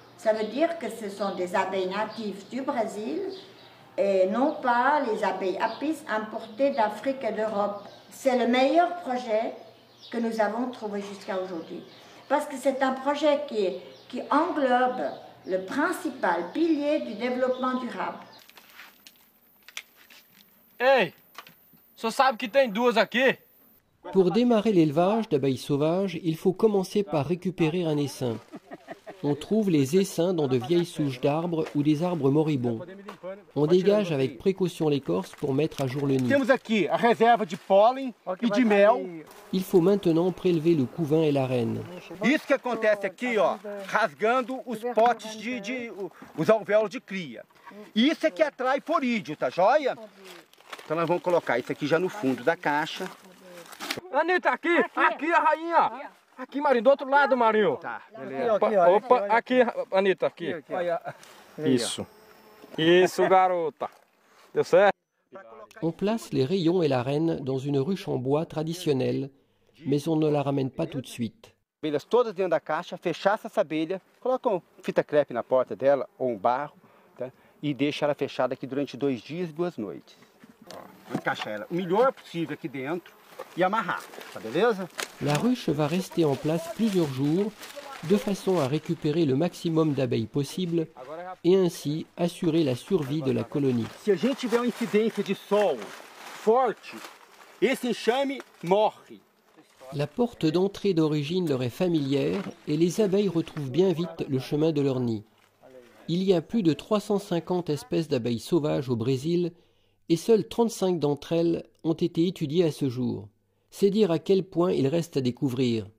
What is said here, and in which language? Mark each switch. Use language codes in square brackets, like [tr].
[fr] Ça veut dire que ce sont des abeilles natives du Brésil et non pas les abeilles apis importées d'Afrique et d'Europe. C'est le meilleur projet que nous avons trouvé jusqu'à aujourd'hui. Parce que c'est un projet qui englobe le principal pilier du développement durable. [pt] Hey, você sabe que tem duas aqui? [fr] Pour démarrer l'élevage d'abeilles sauvages, il faut commencer par récupérer un essaim. On trouve les essaims dans de vieilles souches d'arbres ou des arbres moribonds. On dégage avec précaution l'écorce pour mettre à jour le nid. [pt] Temos aqui a reserva de pólen e de mel. [fr] Il faut maintenant prélever le couvain et la reine. [pt] Isso que acontece aqui, ó, rasgando os potes de os alvéolos de cria. Isso é que atrai forídeo, tá joia? Então nós vamos colocar isso aqui já no fundo da caixa. Anitta, aqui, aqui a rainha. Aqui, Marinho, do outro lado, Marinho. Tá, beleza. Opa, aqui, Anitta, aqui. Isso. Isso, garota. Deu certo? [fr] On place les rayons et la reine dans une ruche en bois traditionnelle, mais on ne la ramène pas tout de suite. [pt] Abelhas todas dentro da caixa, fechaça essa abelha, coloca uma fita crepe na porta dela, ou um barro, tá? E deixa ela fechada aqui durante dois dias e duas noites. Encaixa ela o melhor possível aqui dentro e amarrar, tá beleza? [fr] La ruche va rester en place plusieurs jours, de façon à récupérer le maximum d'abeilles possible et ainsi assurer la survie de la colonie. [pt] Si a gente tiver uma incidência de sol forte, esse enxame morre. [fr] La porte d'entrée d'origine leur est familière et les abeilles retrouvent bien vite le chemin de leur nid. Il y a plus de 350 espèces d'abeilles sauvages au Brésil et seules 35 d'entre elles ont été étudiées à ce jour. C'est dire à quel point il reste à découvrir.